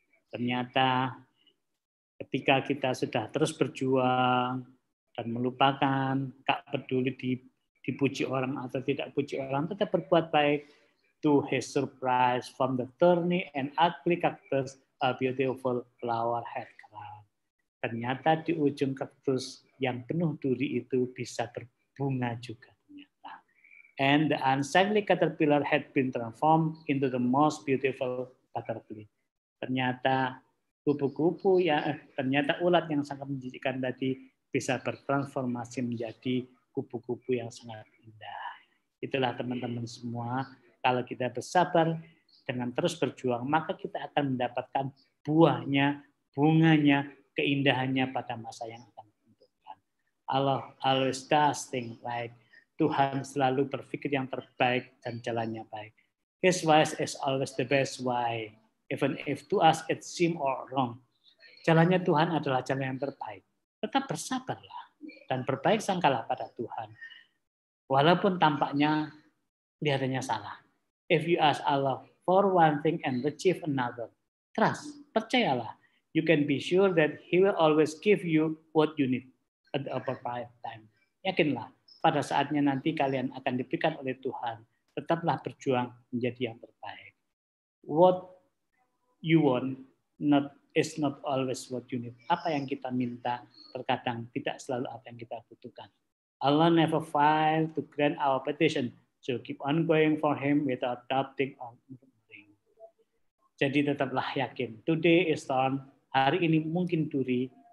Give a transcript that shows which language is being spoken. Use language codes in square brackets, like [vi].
[id] Ternyata ketika kita sudah terus berjuang dan melupakan, gak peduli dipuji orang atau tidak puji orang, tetap berbuat baik. [en] To his surprise, from the thorny and ugly cactus, a beautiful flower had grown. [id] Ternyata di ujung kaktus yang penuh duri itu bisa berbunga juga ternyata. [en] And the unsightly caterpillar had been transformed into the most beautiful butterfly. [id] Ternyata kupu-kupu yang ternyata ulat yang sangat menjijikkan tadi bisa bertransformasi menjadi kupu-kupu yang sangat indah. Itulah teman-teman semua, kalau kita bersabar dengan terus berjuang, maka kita akan mendapatkan buahnya, bunganya, keindahannya pada masa yang akan datang. [en] Allah always does things right. [id] Tuhan selalu berpikir yang terbaik dan jalannya baik. [en] His ways is always the best way. Even if to us it seem or wrong. [id] jalannya Tuhan adalah jalan yang terbaik. Tetap bersabarlah dan berbaik sangkalah pada Tuhan. Walaupun tampaknya kelihatannya salah. [en] If you ask Allah for one thing and achieve another, trust, [id] percayalah. [en] You can be sure that He will always give you what you need at the appropriate time. [id] Yakinlah, pada saatnya nanti kalian akan diberikan oleh Tuhan. Tetaplah berjuang menjadi yang terbaik. [en] What you want not is not always what you need. [id] Apa yang kita minta terkadang tidak selalu apa yang kita butuhkan. [en] Allah never fail to grant our petition. So keep on going for Him without doubting or murmuring. [id] Jadi tetaplah yakin. [en] Today is thorn. [id] Hari ini mungkin duri.